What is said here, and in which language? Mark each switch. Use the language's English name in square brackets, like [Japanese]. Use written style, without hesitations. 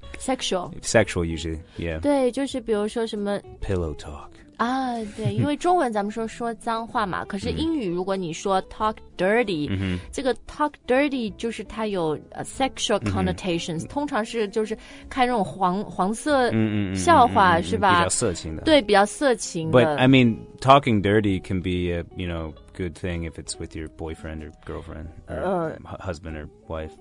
[English] sexual usually, yeah. [Chinese] 对就是比如说什么 [English] pillow talk. [Chinese] 对因为中文咱们说脏话嘛可是英语如果你说 talk dirty,、这个 talk dirty 就是它有sexual connotations,、通常是就是看这种黄色笑话、是吧比较色情的。对比较色情的。 [English] But I mean, talking dirty can be a, you know, good thing if it's with your boyfriend or girlfriend or husband or wife.